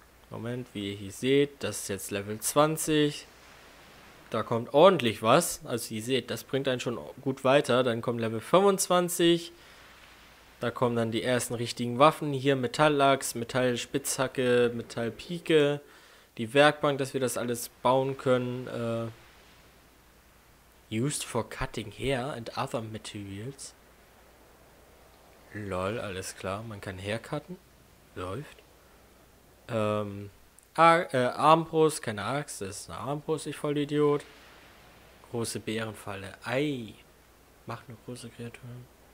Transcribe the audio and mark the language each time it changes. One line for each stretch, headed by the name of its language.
German: Moment, wie ihr hier seht, das ist jetzt Level 20. Da kommt ordentlich was. Also ihr seht, das bringt einen schon gut weiter. Dann kommt Level 25. Da kommen dann die ersten richtigen Waffen hier, Metallaxt, Metallspitzhacke, Metallpike, die Werkbank, dass wir das alles bauen können.
English: Used for cutting hair and other materials.
German: Lol, alles klar, man kann haircutten. Läuft. Armbrust, keine Axt, das ist eine Armbrust, ich Vollidiot. Große Bärenfalle, ei. Macht nur große Kreaturen.